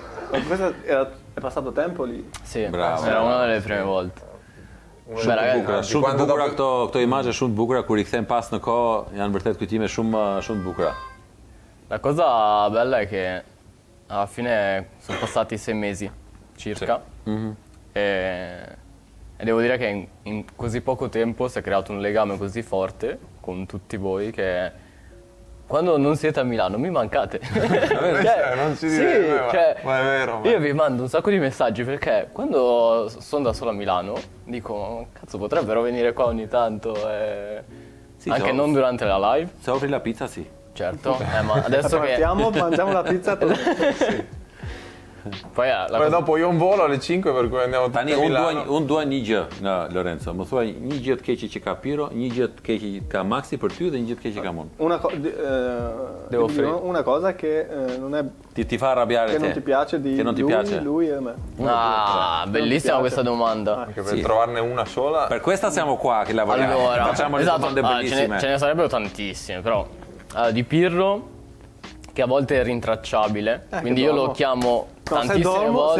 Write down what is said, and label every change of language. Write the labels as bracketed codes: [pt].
[it] Ma questo era, è passato tempo lì? Sì, bravo. Era una delle prime volte. [sq] Shumë të bukura, shumë të bukura këto, këto imazhe shumë të bukura, kur i kthejmë pas në kohë, janë vërtet kujtime shumë shumë të bukura. [it] La cosa bella è che alla fine sono passati sei mesi circa, sì. E devo dire che in così poco tempo si è creato un legame così forte con tutti voi che quando non siete a Milano mi mancate. Vero, cioè, non ci direi, sì, cioè, ma è vero. Ma... Io vi mando un sacco di messaggi perché quando sono da solo a Milano dico, cazzo, potrebbero venire qua ogni tanto, e... sì, anche non durante la live. Se offri la pizza, sì. Certo, ma adesso che... Partiamo, mangiamo la pizza tutto. Sì. Poi, la poi cosa... dopo io un volo alle 5 per cui andiamo tutti a Milano. [sq] Un due një gjë, no, Lorenzo, mi thua një gjë të keqe që ka Piro, një gjë të keqe që ka Maxi për ty dhe një gjë të keqe që ka mund. [it] Una cosa che non è... Ti fa arrabbiare te. Che non ti piace di lui, piace. Lui e me. Ah, bellissima questa domanda. Anche per sì. Trovarne una sola. Per questa siamo qua che lavoriamo. Allora, facciamo esatto. Le domande bellissime. Allora, ce ne sarebbero tantissime, però... di Pirro, che a volte è rintracciabile, quindi io lo chiamo tantissime volte.